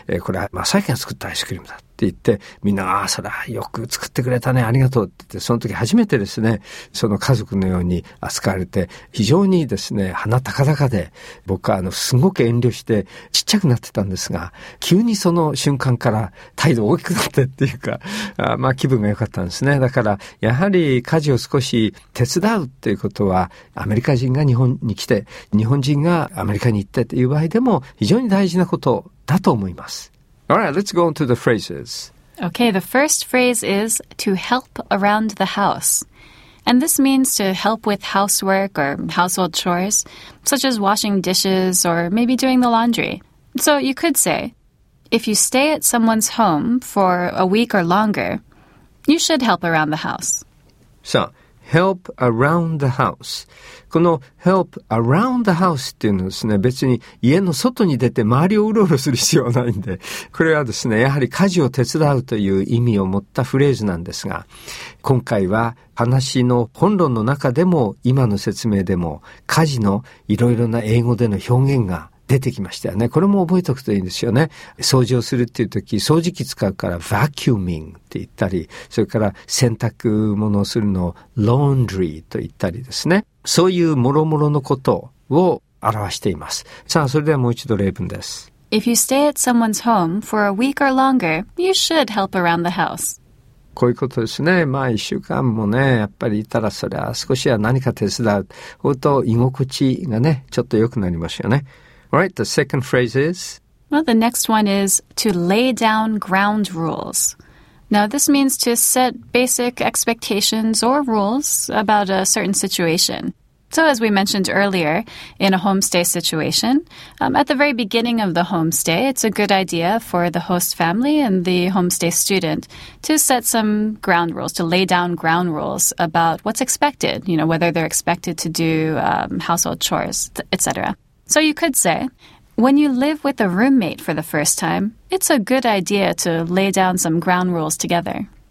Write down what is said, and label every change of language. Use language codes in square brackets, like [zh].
[ja] これは正彦が作ったアイスクリームだって言って、みんなああそれはよく作ってくれたねありがとうって言って、その時初めてですねその家族のように扱われて非常にですね鼻高々で、僕はすごく遠慮してちっちゃくなってたんですが、急にその瞬間から態度大きくなってっていうか、まあ気分が良かったんですね。だからやはり家事を少し手伝うっていうことはアメリカ人が日本に来て日本人がアメリカに行ってという場合でも非常に大事なことだと思います。 [en] All right, let's go on to the phrases. Okay, the first phrase is to help around the house. And this means to help with housework or household chores, such as washing dishes or maybe doing the laundry. So you could say, if you stay at someone's home for a week or longer, you should help around the house. So, help around the house. [ja] この help around the house っていうのはですね、別に家の外に出て周りをうろうろする必要はないんで、これはですね、やはり家事を手伝うという意味を持ったフレーズなんですが、今回は話の本論の中でも今の説明でも家事のいろいろな英語での表現が出てきましたよね。これも覚えておくといいんですよね。掃除をするっていうとき、掃除機使うから vacuuming って言ったり、それから洗濯物をするのを laundry と言ったりですね。そういう諸々のことを表しています。さあ、それではもう一度例文です。 [en] If you stay at someone's home for a week or longer, you should help around the house. [ja] こういうことですね。まあ一週間もね、やっぱりいたらそれは少しは何か手伝う。ほんと居心地がね、ちょっと良くなりますよね。 [en] Alright, the second phrase is? Well, the next one is to lay down ground rules. Now, this means to set basic expectations or rules about a certain situation. So, as we mentioned earlier, in a homestay situation, at the very beginning of the homestay, it's a good idea for the host family and the homestay student to set some ground rules, to lay down ground rules about what's expected, you know, whether they're expected to do household chores, etc., So you could say, when you live with a roommate for the first time, it's a good idea to lay down some ground rules together.